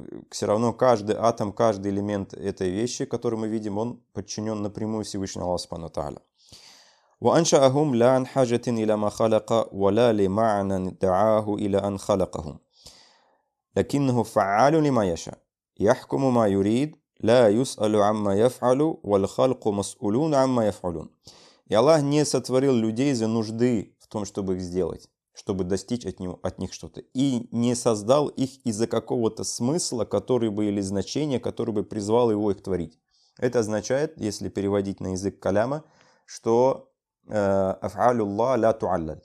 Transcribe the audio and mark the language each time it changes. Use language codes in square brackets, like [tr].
[ru] Все равно каждый атом, каждый элемент этой вещи, который мы видим, он подчинен напрямую Всевышнему Аллаху Субхана ва Тааля. [ar] وَأَنْشَأَهُمْ لَا عَنْ حَاجَةٍ إِلَى مَا خَلَقَ وَلَا لِمَعْنًى دَعَاهُ إِلَى أَنْ خَلَقَهُمْ لَكِنَّهُ فَعَّالٌ لِمَا يَشَاءُ يَحْكُمُ مَا يُرِيدُ «Ла юсалю амма яфалю, валь халку масулун амма яфалюн». [ru] И Аллах не сотворил людей за нужды в том, чтобы их сделать, чтобы достичь от них что-то. И не создал их из-за какого-то смысла, который бы или значения, который бы призвал его их творить. Это означает, если переводить на язык каляма, что [ar] «афалю Аллах ла туалляль».